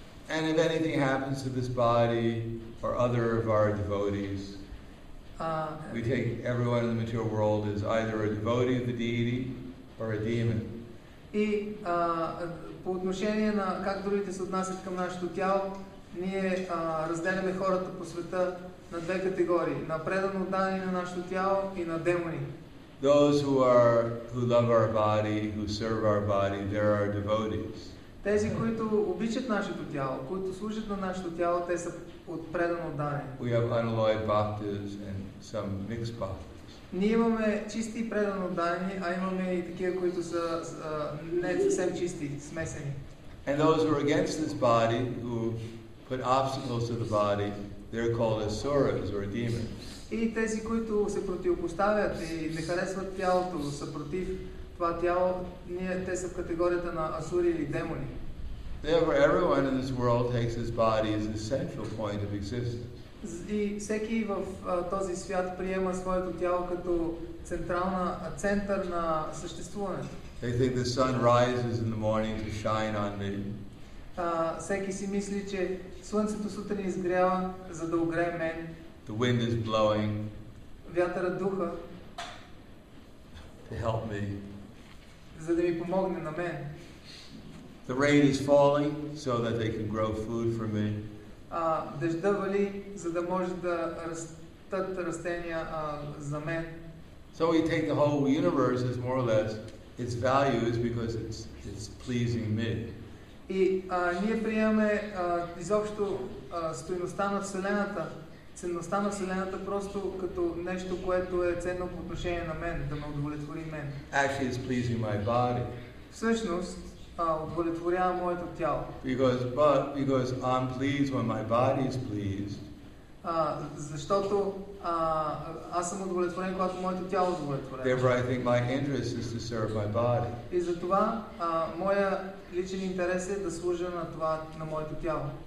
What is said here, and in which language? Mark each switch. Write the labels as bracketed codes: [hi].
[en] And if anything happens to this body or other of our devotees, we take everyone in the material world as either a devotee of the deity or a demon. [bg] И по отношение на как другите се отнасят към нашето тяло, ние разделяме хората по света на две категории: на предано отдадени на нашето тяло и на демони. [en] Those who love our body, who serve our body, they're our devotees. [bg] Тези, които обичат нашето тяло, които служат на нашето тяло, те са от предано отдадени. [en] We have unalloyed bhaktas and some mixed bhaktas. [bg] Ние имаме чисти и предано отдадени, а имаме и такива, които са не съвсем чисти, смесени. [en] And those who are against this body, who put obstacles to the body, they're called asuras or demons. [bg] И тези, които се противопоставят и не харесват тялото, са против това тяло, ние те са в категорията на асури или демони. [en] Therefore, everyone in this world takes his body as the central point of existence. [bg] И всеки в този свят приема своето тяло като централна център на съществуването. [en] They think the sun rises in the morning to shine on me. [bg] Всеки си мисли, че слънцето сутрин изгрява, за да огрее мен. [en] The wind is blowing. [bg] Вятърът духа. [en] To help me. [bg] За да ми помогне на мен. [en] The rain is falling so that they can grow food for me. [bg] Дъжда вали, за да може да растат растения за мен. [en] So we take the whole universe as more or less its value is because it's pleasing me. [bg] И ние приемаме изобщо стойността на Вселената, ценността на Вселената просто като нещо, което е ценно по отношение на мен, да ме удовлетвори мен. [en] Actually it's pleasing my body. [bg] Всъщност, удовлетворява моето тяло. [en] Because I'm pleased when my body is pleased. [bg] Защото аз съм удовлетворен, когато моето тяло удовлетворява. [en] Therefore, I think my interest is to serve my body. [bg] И затова моя личен интерес е да служа на това, на моето тяло.